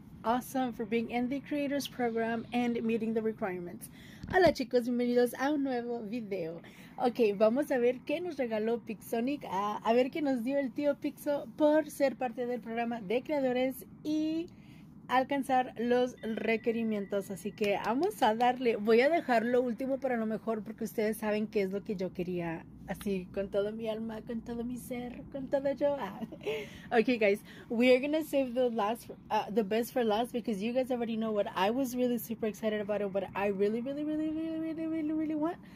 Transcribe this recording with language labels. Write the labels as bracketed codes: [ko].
[en] Awesome for being in the creators program and meeting the requirements. [es] Hola chicos, bienvenidos a un nuevo video. Ok, vamos a ver qué nos regaló Pixonic, a ver qué nos dio el tío Pixo por ser parte del programa de creadores y alcanzar los requerimientos. Así que vamos a darle, voy a dejar lo último para lo mejor porque ustedes saben qué es lo que yo quería. Así, con todo mi alma, con todo mi ser, con todo yo. [en] Okay, guys, we are going to save the last, the best for last, because you guys already know what I was really super excited about and what I really, really, really, really, really, really, really want.